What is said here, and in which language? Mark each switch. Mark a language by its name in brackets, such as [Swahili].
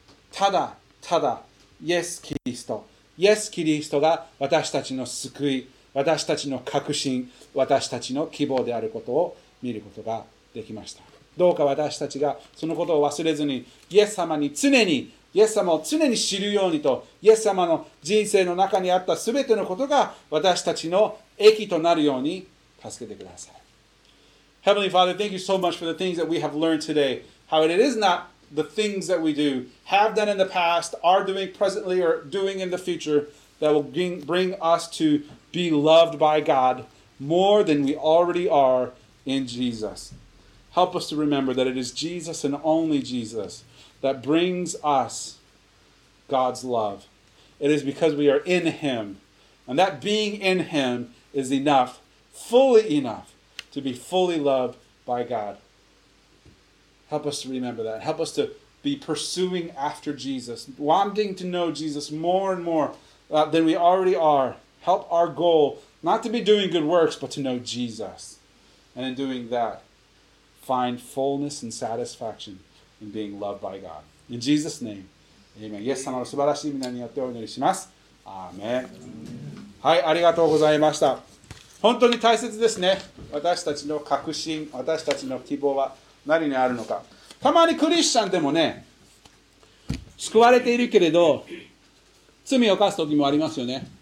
[Japanese] ただただイエス・キリスト、イエス・キリストが私たちの救い、私たちの確信、私たちの希望であることを見ることができました。どうか私たちがそのことを忘れずに、イエス様に常に、イエス様を常に知るようにと、イエス様の人生の中にあったすべてのことが私たちの益となるように助けてください。 [English] Heavenly Father, thank you so much for the things that we have learned today. How it is not the things that we do, have done in the past, are doing presently or doing in the future that will bring us to be loved by God more than we already are in Jesus. Help us to remember that it is Jesus and only Jesus that brings us God's love. It is because we are in Him, and that being in Him is enough, fully enough, to be fully loved by God. Help us to remember that. Help us to be pursuing after Jesus, wanting to know Jesus more and more than we already are. Help our goal not to be doing good works, but to know Jesus. And in doing that, find fullness and satisfaction in being loved by God. In Jesus' name, amen. [Japanese] イエス様の素晴らしい名によってお祈りします。アーメン。はい、ありがとうございました。本当に大切ですね。私たちの確信、私たちの希望は何にあるのか。たまにクリスチャンでもね、救われているけれど、罪を犯す時もありますよね。